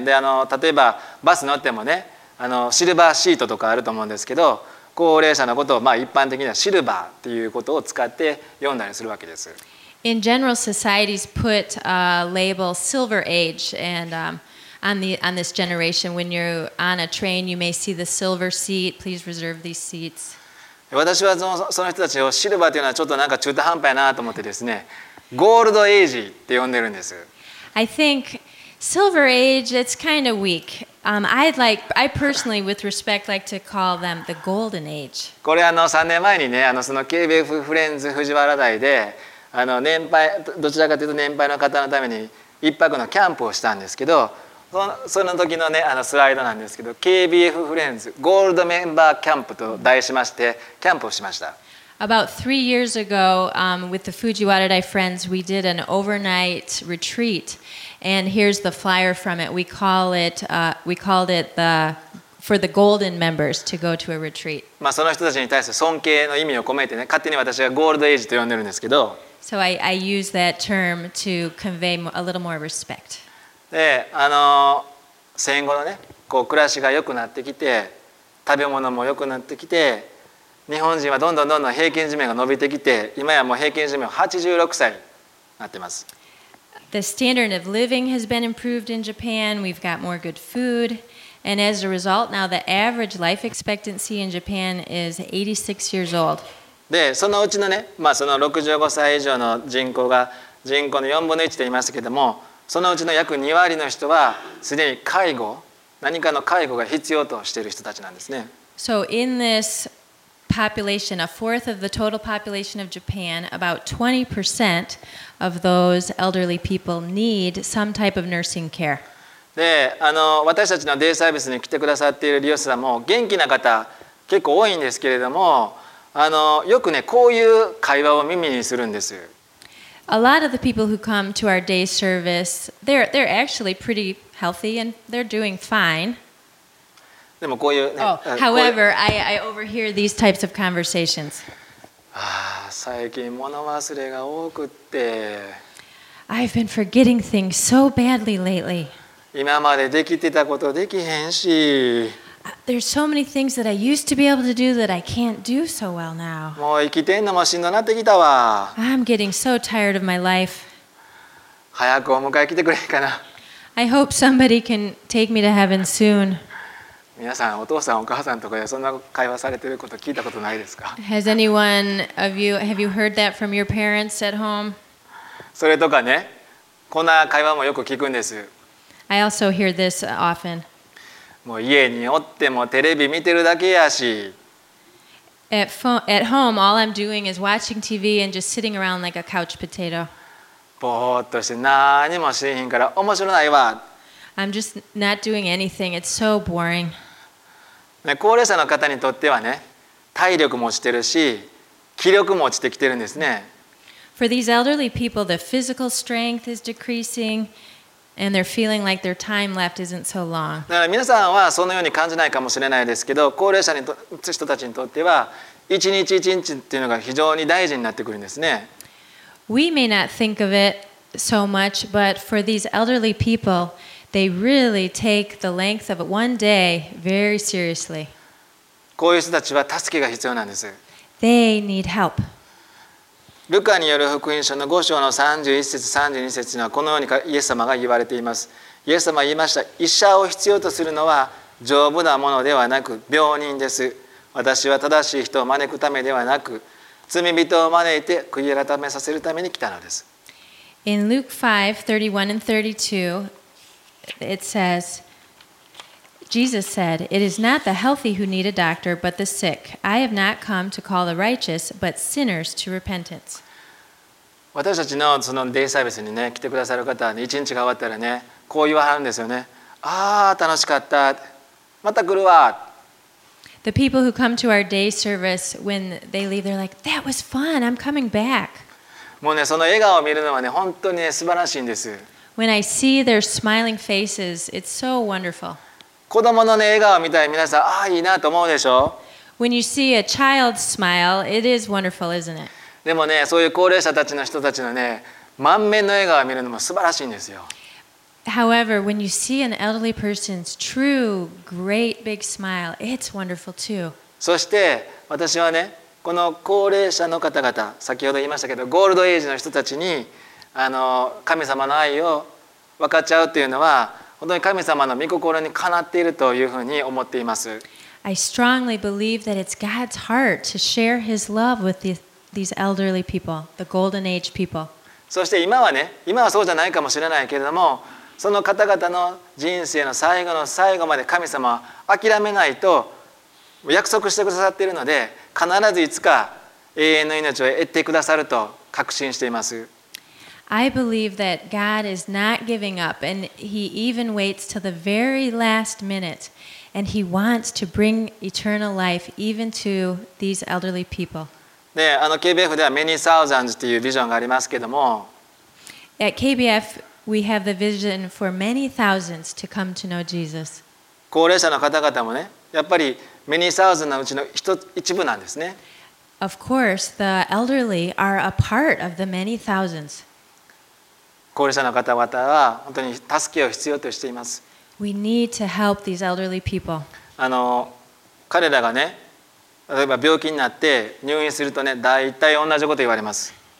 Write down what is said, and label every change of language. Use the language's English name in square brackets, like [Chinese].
[Japanese] で、あの例えばバス乗ってもね、あのシルバーシートとかあると思うんですけど、高齢者のことをまあ一般的にはシルバーっていうことを使って読んだりするわけです。 [English] In general, societies put a label silver age and, on this generation. When you're on a train, you may see the silver seat. Please reserve these seats. [Japanese] 私はその人たちをシルバーというのはちょっとなんか中途半端やなと思ってですね、ゴールドエイジって呼んでるんです。 [English] I think silver age, it's kind of weak. I personally, with respect, like to call them the golden age. [Japanese] これあの3年前にね、あのその KBF フレンズ藤原台で、あの年配、どちらかというと年配の方のために一泊のキャンプをしたんですけど、その時のね、あのスライドなんですけど、KBF フレンズゴールドメンバーキャンプと題しましてキャンプをしました。 [English] About 3 years ago, with the Fujiwara-dai friends, we did an overnight retreat, and here's the flyer from it. We called it the for the golden members to go to a retreat. [Japanese] まあその人たちに対する尊敬の意味を込めてね、勝手に私がゴールドエイジと呼んでるんですけど。 [English] So I use that term to convey a little more respect. [Japanese] で、あの戦後のね、こう暮らしが良くなってきて、食べ物も良くなってきて、日本人はどんどんどんどん平均寿命が伸びてきて、今やもう平均寿命86歳になってます。 [English] The standard of living has been improved in Japan. We've got more good food, and as a result, now the average life expectancy in Japan is 86 years old. [Japanese] で、そのうちのね、まあ、その65歳以上の人口が人口の4分の1と言いますけども、そのうちの約2割の人はすでに介護、何かの介護が必要としている人たちなんですね。 [English] So in this population, a fourth of the total population of Japan, about 20% of those elderly people need some type of nursing care. [Japanese] で、私たちのデイサービスに来てくださっている利用者さんも元気な方結構多いんですけれども、よくね、こういう会話を耳にするんです。 [English] A lot of the people who come to our day service, they're actually pretty healthy and they're doing fine. [Japanese] でもこういうね、 [English] However, I overhear these types of conversations. [Japanese] ああ、最近物忘れが多くって。 [English] I've been forgetting things so badly lately. [Japanese] 今までできてたことできへんし。 [English] There's so many things that I used to be able to do that I can't do so well now. [Japanese] もう生きてんのもしんどなってきたわ。 [English] I'm getting so tired of my life. [Japanese] 早くお迎え来てくれんかな。 [English] I hope somebody can take me to heaven soon. [Japanese] 皆さん、お父さん、お母さんとかでそんな会話されてること聞いたことないですか？ [English] Has anyone of you, have you heard that from your parents at home? [Japanese] それとかね、こんな会話もよく聞くんです。 [English] I also hear this often. [Japanese] もう家におってもテレビ見てるだけやし。 [English] At home, all I'm doing is watching TV and just sitting around like a couch potato. [Japanese] ぼーっとして何もしへんから面白ないわ。 [English] I'm just not doing anything. It's so boring.、 [Japanese] ね、高齢者の方にとってはね、体力も落ちてるし、気力も落ちてきてるんですね。 [English] For these elderly people, the physical strength is decreasing. And they're feeling like their time left isn't so long. [Japanese] だから皆さんはそのように感じないかもしれないですけど、高齢者にと人たちにとっては一日一日っていうのが非常に大事になってくるんですね。 [English] We may not think of it so much, but for these elderly people, they really take the length of one day very seriously. [Japanese] こういう人たちは助けが必要なんです。 [English] They need help. [Japanese] ルカによる福音書の5章の31節32節にはこのようにイエス様が言われています。イエス様は言いました。医者を必要とするのは丈夫なものではなく病人です。私は正しい人を招くためではなく罪人を招いて悔い改めさせるために来たのです。 [English] In Luke 5:31 and 32 it says Jesus said It is not the healthy who need a doctor but the sick I have not come to call the righteous but sinners to repentance. [Japanese] 私たちのそのデイサービスにね来てくださる方はね一日が終わったらねこう言わはるんですよね。ああ楽しかった、また来るわ。 [English] The people who come to our day service when they leave they're like that was fun I'm coming back. [Japanese] もうねその笑顔を見るのはね本当に、ね、素晴らしいんです。 [English] When I see their smiling faces it's so wonderful. [Japanese] 子供のね笑顔を見たら皆さんああいいなと思うでしょ。 [English] When you see a child's smile it is wonderful isn't it? [Japanese] でもね、そういう高齢者たちの人たちのね、満面の笑顔を見るのも素晴らしいんですよ。 [English] However, when you see an elderly person's true, great, big smile, it's wonderful too. [Japanese] そして私はね、この高齢者の方々、先ほど言いましたけど、ゴールドエイジの人たちに神様の愛を分かっちゃうというのは、本当に神様の御心にかなっているというふうに思っています。 [English] I strongly believe that it's God's heart to share His love with the These elderly people, the golden age people. [Japanese] そして今はね、今はそうじゃないかもしれないけれども、その方々の人生の最後の最後まで神様は諦めないと約束してくださっているので、必ずいつか永遠の命を得てくださると確信しています。 [English] I believe that God is not giving up, and He even waits till the very last minute, and He wants to bring eternal life even to these elderly people. [Japanese] で、KBF では Many Thousands というビジョンがありますけども、 [English] At KBF, we have the vision for many thousands to come to know Jesus. [Japanese] 高齢者の方々もね、やっぱり Many Thousands のうちの一部なんですね。 [English] Of course, the elderly are a part of the many thousands. [Japanese] 高齢者の方々は本当に助けを必要としています。 [English] We need to help these elderly people. [Japanese] 彼らがね、例えば病気になって入院するとね、大体同じこと言われます。